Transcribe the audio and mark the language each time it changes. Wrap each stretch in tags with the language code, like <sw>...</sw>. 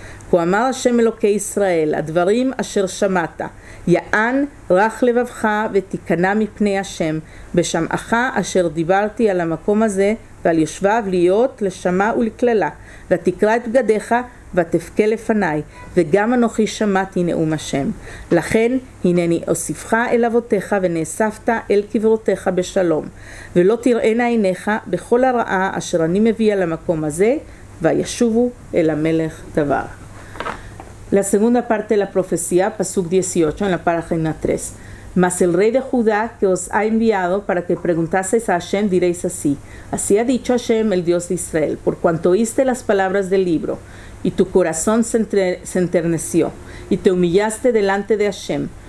<he>Kuamar Hashem Elokei Israel, Advarim asher shamata, Ya'an rach levavcha vetikana mipnei Hashem, Beshamacha asher dibarti al hamakom hazeh, ועל יושביו להיות לשמה ולקללה, ותקרא את בגדיך ותבכה לפניי, וגם אנוכי שמעתי נאום השם. לכן הנני אוסיפך אל אבותיך ונאספת אל קברותיך בשלום, ולא תראינה עיניך בכל הרעה אשר אני מביא על המקום הזה, וישובו אל המלך דבר.</he> <es>La segunda parte de la profecía, pasuk 18, en la página 3. Mas el rey de Judá que os ha enviado para que preguntaseis a Hashem diréis así. Así ha dicho Hashem, el Dios de Israel, por cuanto oíste las palabras del libro y tu corazón se enterneció y te humillaste delante de Hashem,</es>